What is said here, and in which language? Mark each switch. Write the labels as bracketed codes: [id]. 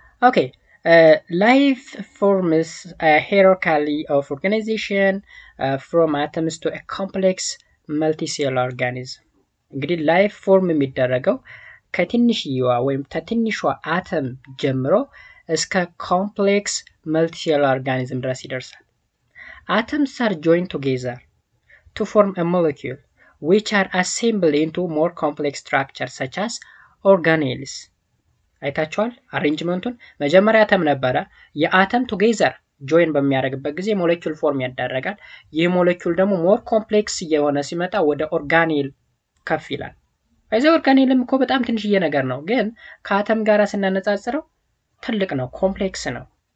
[en] ኦኬ life forms a hierarchy of organization from atoms to a complex multicellular organism. [am] እንግዲህ life form የሚደረገው ከትንሽዋ ወይም ከትንሽዋ አተም ጀምሮ እስከ [en] complex multicellular organism [am] ድረስ ይደርሳል. [en] Atoms are joined together to form a molecule which are assembled into more complex structures such as organelles. [am] አይታችኋል አሬንጅመንቱን መጀመሪያ አተም ነበረ የአተም together join በሚያደርግበት ጊዜ molecule form ያደረጋል ይሄ molecule ደግሞ more complex የሆነ ሲመጣ ወደ organelle ከፍ ይላል አይዘ organelle እኮ በጣም ትንሽዬ ነገር ነው ግን ከአተም ጋር ስናነጻጽረው ትልቅ ነው complex ነው